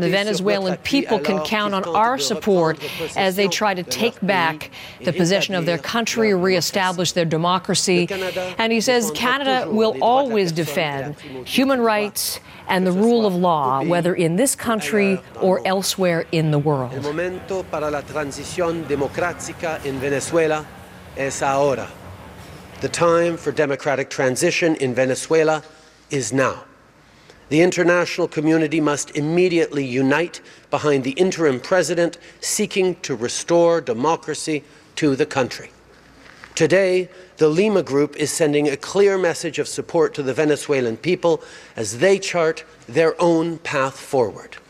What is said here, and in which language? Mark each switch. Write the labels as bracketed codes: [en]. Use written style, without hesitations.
[en] The Venezuelan people can count on our support as they try to take back the possession of their country, reestablish their democracy. And he says Canada will always defend human rights and the rule of law, whether in this country or elsewhere in the world. [es] El momento para la transición democrática en Venezuela es ahora. [en] The time for democratic transition in Venezuela is now. The international community must immediately unite behind the interim president seeking to restore democracy to the country. Today, the Lima Group is sending a clear message of support to the Venezuelan people as they chart their own path forward.